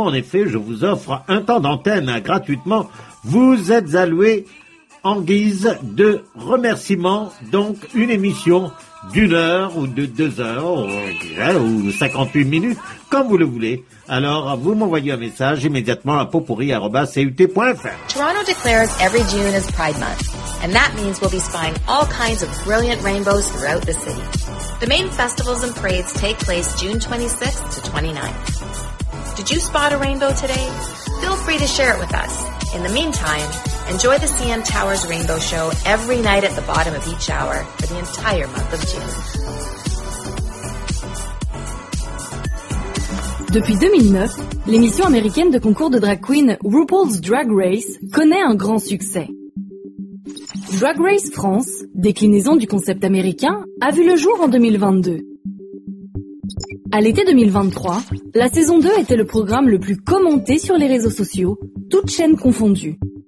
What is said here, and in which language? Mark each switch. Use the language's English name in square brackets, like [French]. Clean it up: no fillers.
[French] En effet, je vous offre un temps d'antenne gratuitement. Vous êtes alloués en guise de remerciement, donc une émission d'une heure ou de deux heures ou 58 minutes, comme vous le voulez. Alors, vous m'envoyez un message immédiatement à popourri@cut.fr. [English] Toronto declares every June is Pride Month, and that means we'll be spying all kinds of brilliant rainbows throughout the city. The main festivals and parades take place June 26th to 29th. Did you spot a rainbow today? Feel free to share it with us. In the meantime, enjoy the CN Tower's Rainbow Show every night at the bottom of each hour for the entire month of June. [French] Depuis 2009, l'émission américaine de concours de drag queen RuPaul's Drag Race connaît un grand succès. Drag Race France, déclinaison du concept américain, a vu le jour en 2022. À l'été 2023, la saison 2 était le programme le plus commenté sur les réseaux sociaux, toutes chaînes confondues.